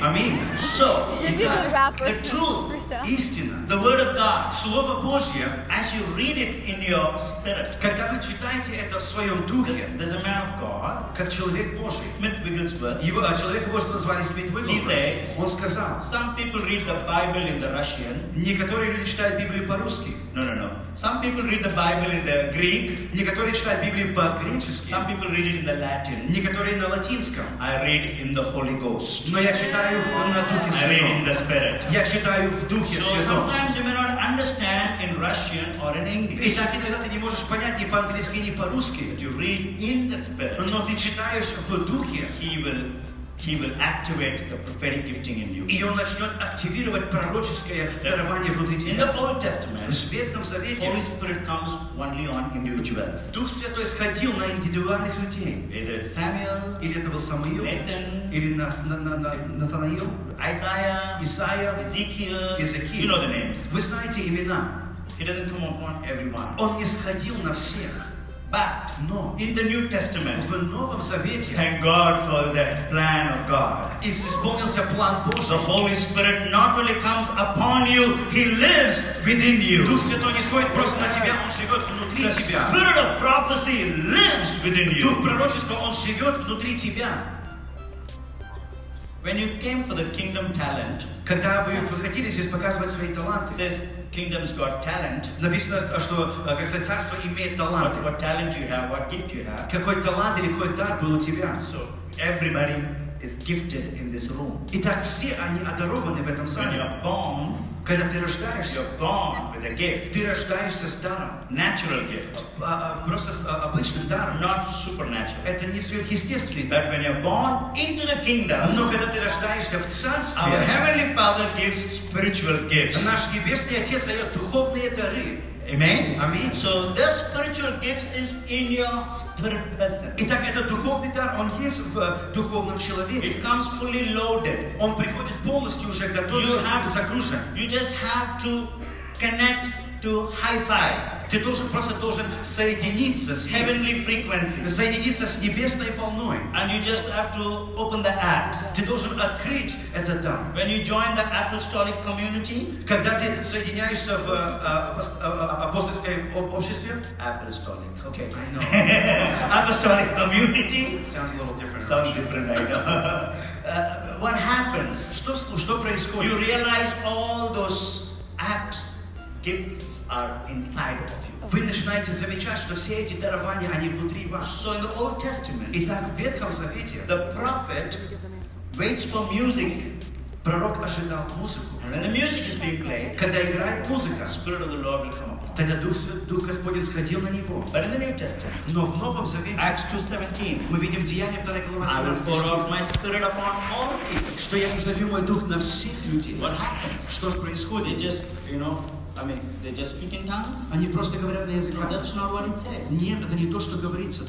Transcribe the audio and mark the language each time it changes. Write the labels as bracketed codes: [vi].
[en] Amen. So, the truth, истина, the word of God, [ru] слово Божье, [en] as you read it in your spirit, [ru] когда вы читаете это в своем духе, [en] there's a man of God, [ru] как человек Божий, Смит Вигглсворт, его человека Божьего звали Смит Вигглсворт, он сказал, [en] some people read the Bible in the Russian, [ru] некоторые люди читают Библию по-русски, [en] no. Some people read the Bible in the Greek. [ru] Некоторые читают Библию по-гречески. [en] Some people read it in the Latin. [ru] Некоторые на латинском. [en] I read in the Holy Ghost. [ru] Но я читаю на Духе Святом. [en] I read in the Spirit. [ru] Я читаю в Духе Святом. [en] So sometimes you may not understand in Russian or in English. [ru] Итак, иногда ты не можешь понять ни по-английски, ни по-русски. [en] But you read in the Spirit. [ru] Но ты читаешь в Духе. [en] He will activate the prophetic gifting in you. [ru] И он начнет активировать пророческое дарование внутри тебя. [en] In the Old Testament, [ru] в Ветхом Завете, [en] Holy Spirit comes only on individuals. [ru] Дух Святой сходил на индивидуальных людей. [en] Either Samuel, [ru] или это был Самуил, [en] Nathan, [ru] или Натанаил, [en] Isaiah, [ru] Исаия, [en] Ezekiel. You know the names. [ru] Вы знаете имена. [en] He doesn't come upon everyone. [ru] Он не сходил на всех. [en] But no. In the New Testament, [ru] в Новом Завете, [en] thank God for the plan of God. [ru] Исполнился план Божий. [en] The Holy Spirit not only comes upon you, He lives within you. [ru] Дух Святой не сходит просто на тебя, Он живет внутри тебя. [en] The Spirit of prophecy lives within you. [ru] Дух пророчества, Он живет внутри тебя. [en] When you came for the kingdom talent, [ru] когда вы приходили здесь показывать свои таланты, [en] says, kingdom's got talent. [ru] Написано, что, как сказать, царство имеет талант. [en] What talent you have? What gift you have? [ru] Какой талант или какой дар был у тебя? [en] So everybody is gifted in this room. [ru] Итак, все они одарованы в этом зале. [en] When you're born, [ru] когда ты рождаешься, [en] you're born with a gift. [ru] Ты рождаешься с даром. [en] Natural gift. [ru] Просто обычным даром. [en] Not supernatural. [ru] Это не сверхъестественный. [en] But when you're born into the kingdom, [ru] но когда ты рождаешься в царстве, [en] our heavenly Father gives spiritual gifts. [ru] Наш небесный отец дает духовные дары. [en] Amen. Amen. So the spiritual gifts is in your spirit person. [ru] Итак, этот духовный дар, он есть в духовном человеке. [en] It comes fully loaded. [ru] Он приходит полностью уже готовый, загружен. [en] You just have to connect to Hi-Fi. [ru] Ты должен соединиться с [en] heavenly frequency. [ru] Соединиться с небесной волной. [en] And you just have to open the apps. [ru] Ты должен открыть этот дар. [en] When you join the apostolic community, [ru] когда ты соединяешься в апостольское обществе, [en] apostolic. Okay, I know. Apostolic community. Sounds a little different. Sounds different, I know. What happens? [ru] Что происходит? [en] You realize all those apps, gifts are inside of you. [ru] Вы начинаете замечать, что все эти дарования, они внутри вас. [en] So in the Old Testament, [ru] итак, в Ветхом Завете, [en] the prophet waits for music [ru] Пророк ожидал музыку. [en] And when the music is being played, [ru] когда играет музыка, [en] the Spirit of the Lord will come upon. [ru] Тогда Дух Господень сходил на него. [en] But in the New Testament, [ru] но в Новом Завете, [en] Acts 2:17, [ru] мы видим Деяния 2 глава 17. [en] I will pour out my Spirit upon all people. [ru] Что я излью мой Дух на всех людей. [en] What happens? [ru] Что происходит? [en] Just, you know, I mean, they just speak in tongues. [ru] Они просто говорят на языках. [en] No, that's not what it says. [ru] Нет, это не то, что говорится.